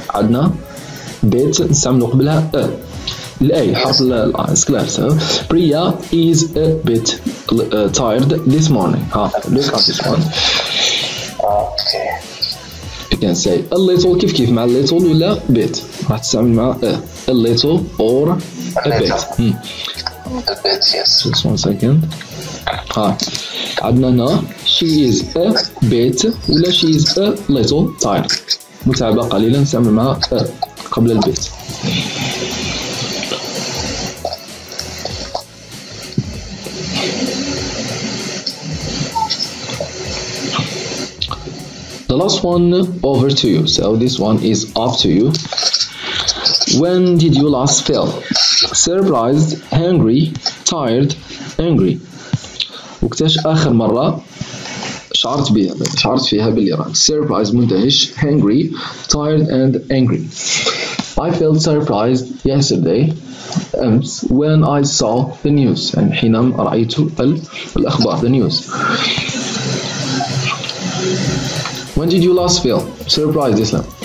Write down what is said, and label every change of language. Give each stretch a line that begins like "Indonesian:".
Arabic: عدنا بيت استعملوا قبلها a.
English: A
Arabic: حرف ال
English: is clear. So Priya is a bit tired this morning. Ah, look at this one. Okay. You can say a little
Arabic: كيف كيف مع
English: little ولا bit.
Arabic: راح تستعمل مع
English: a little or a bit. A bit, yes. Just one second. Ah,
Arabic: عدنا هنا.
English: She is a bit
Arabic: ولا
English: she is a little tired.
Arabic: متعبة قليلا نستعمل معها a قبل البيت.
English: The last one over to you. So this one is up to you. When did you last feel? Surprised, hungry, tired, angry.
Arabic: وكتاش آخر مرة شعرت بها شعرت فيها باللي راه surprised مندهش
English: hungry tired and angry. I felt surprised yesterday when I saw the news.
Arabic: يعني حينما رأيت الأخبار
English: the news. When did you last feel surprised Islam?